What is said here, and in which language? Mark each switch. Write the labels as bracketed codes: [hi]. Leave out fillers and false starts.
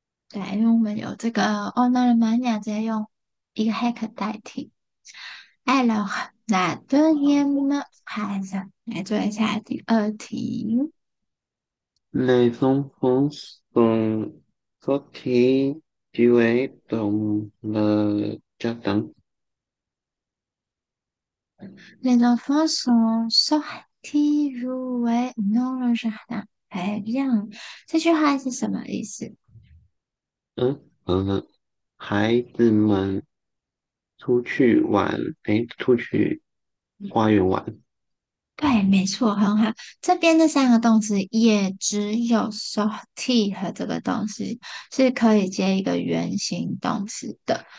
[zh] 对，因为我们有这个 on Allemagne，直接用一个 hack 代替。 [fr] Alors, la deuxième phrase， [zh] 来做一下第二题。 [fr] Les enfants sont sortis jouer dans le jardin. Les enfants sont sortis jouer dans le jardin. Très bien， [zh] 这句话是什么意思？孩子们出去玩，出去花园玩。对，没错，很好。这边这三个动词也只有 sortie 和这个动词是可以接一个原形动词的。